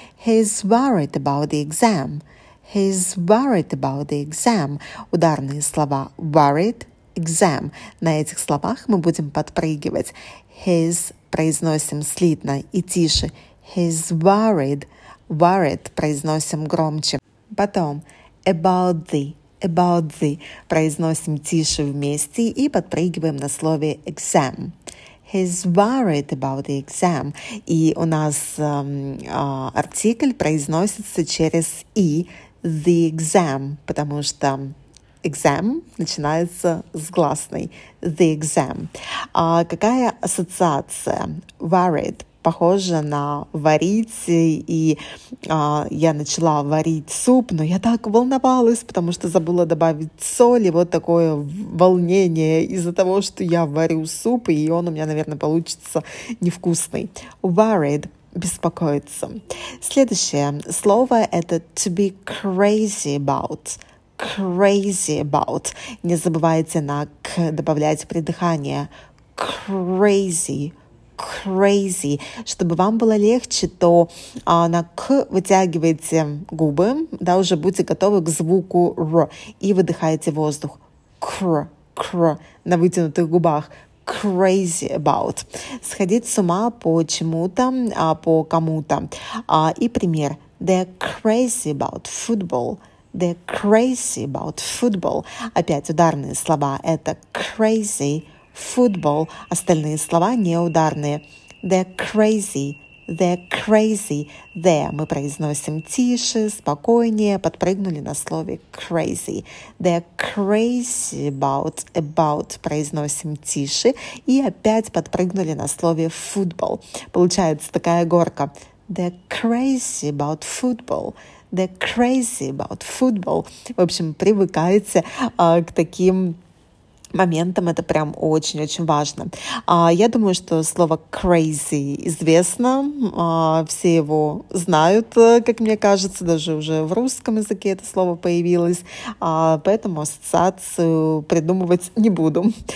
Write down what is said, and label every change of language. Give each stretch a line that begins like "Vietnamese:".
English: He's worried about the exam. He's worried about the exam.
Russian: Ударные слова worried, exam. На этих словах мы будем подпрыгивать. His произносим слитно и тише.
English: He's worried.
Russian: Worried произносим громче. Потом
English: about the. About the.
Russian: Произносим тише вместе и подпрыгиваем на слове exam.
English: He's worried about the exam.
Russian: И у нас артикль произносится через «и» – «the exam», потому что «exam» начинается с гласной «the exam». А какая ассоциация? «Worried» похоже на «варить», и я начала варить суп, но я так волновалась, потому что забыла добавить соль, и вот такое волнение из-за того, что я варю суп, и он у меня, наверное, получится невкусный. Worried – беспокоиться. Следующее слово – это «to be crazy about».
English: Crazy about.
Russian: Не забывайте на «к» добавлять придыхание.
English: Crazy. Crazy.
Russian: Чтобы вам было легче, то на «к» вытягивайте губы, да, уже будьте готовы к звуку «р» и выдыхаете воздух. «Кр», «кр» на вытянутых губах.
English: Crazy about.
Russian: Сходить с ума по чему-то, по кому-то. И пример.
English: They're crazy about football. They're crazy about football.
Russian: Опять ударные слова. Это crazy. Футбол. Остальные слова неударные.
English: They're crazy. They're crazy. They.
Russian: Мы произносим тише, спокойнее, подпрыгнули на слове crazy. They're crazy about. About. Произносим тише и опять подпрыгнули на слове футбол. Получается такая горка. They're crazy about football. They're crazy about football. В общем, привыкайте к таким моментом, это прям очень-очень важно. Я думаю, что слово crazy известно, все его знают, как мне кажется, даже уже в русском языке это слово появилось, поэтому ассоциацию придумывать не буду.